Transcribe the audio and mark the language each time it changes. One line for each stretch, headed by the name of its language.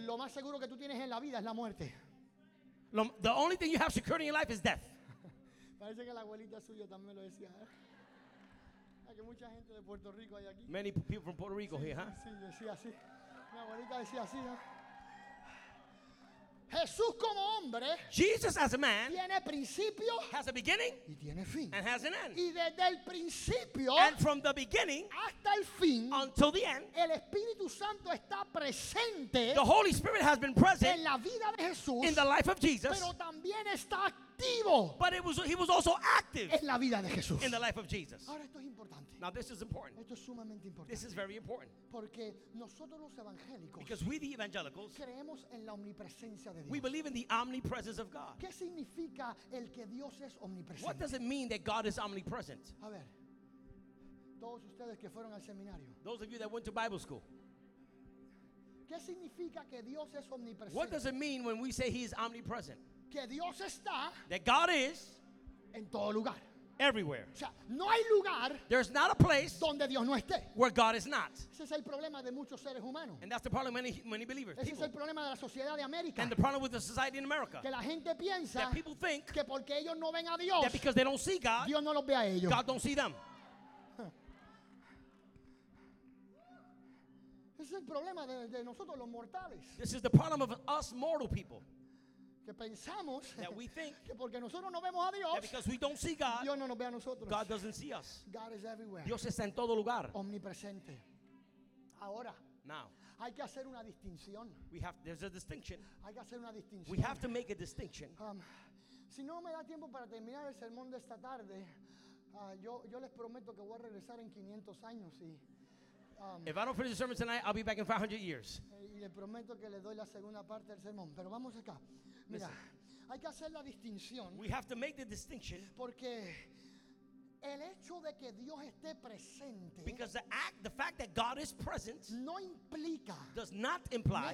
Spanish: lo más seguro que tú tienes en la vida es la muerte.
English: The only thing you have secured in your life is death.
Spanish: Parece que la abuelita suya también lo decía. Que mucha gente de Puerto Rico hay aquí.
English: Many people from Puerto Rico here, huh?
Spanish: Sí, decía así. Mi abuelita decía así, ¿no? Jesús como hombre,
English: Jesus as a man,
Spanish: tiene principio,
English: has a beginning,
Spanish: y tiene fin,
English: and has an end.
Spanish: Y desde el principio,
English: and from the beginning,
Spanish: hasta el fin,
English: until the end,
Spanish: el Espíritu Santo está presente,
English: the Holy Spirit has been present,
Spanish: en la vida de Jesús,
English: in the life of Jesus,
Spanish: pero también está activo,
English: but he was also active,
Spanish: en la vida de Jesús,
English: in the life of Jesus.
Spanish: Ahora esto es importante.
English: Now this is important.
Spanish: Esto es sumamente importante.
English: This is very important.
Spanish: Porque nosotros los evangélicos,
English: because we the evangelicals,
Spanish: creemos en la omnipresencia.
English: We believe in the omnipresence of God.
Spanish: ¿Qué significa el que Dios es omnipresente?
English: What does it mean that God is omnipresent?
Spanish: A ver, todos ustedes que fueron al seminario,
English: those of you that went to Bible school,
Spanish: ¿qué significa que Dios es omnipresente?
English: What does it mean when we say he is omnipresent?
Spanish: Que Dios está,
English: that God is
Spanish: en todo lugar,
English: everywhere.
Spanish: O sea, no hay lugar,
English: there's not a place
Spanish: donde Dios no esté,
English: where God is not.
Spanish: Ese es el problema de muchos seres humanos.
English: And that's the problem of many believers.
Spanish: Ese es el problema de la sociedad de América.
English: And the problem with the society in America.
Spanish: Que la gente piensa,
English: that people think,
Spanish: que porque ellos no ven a Dios,
English: that because they don't see God,
Spanish: Dios no los ve a ellos.
English: God don't see them.
Spanish: Ese es el problema de nosotros los mortales.
English: This is the problem of us mortal people.
Spanish: Que pensamos,
English: that we think,
Spanish: que porque nosotros no vemos a Dios,
English: that because we don't see God,
Spanish: Dios no nos ve a nosotros.
English: God doesn't see us. God is everywhere.
Spanish: Dios está en todo lugar. Omnipresente. Ahora,
English: now,
Spanish: hay que hacer una distinción.
English: There's a distinction.
Spanish: Hay que hacer una distinción.
English: We have to make a distinction.
Spanish: Si no me da tiempo para terminar el sermón de esta tarde, yo les prometo que voy a regresar en 500 años y,
English: if I don't finish the sermon tonight, I'll be back in 500 years.
Spanish: Y les prometo que les doy la segunda parte del sermón, pero vamos acá. Mira, hay que hacer la distinción.
English: We have to make the distinction.
Spanish: Porque el hecho de que Dios esté presente,
English: because the fact that God is present,
Spanish: no implica,
English: does not imply,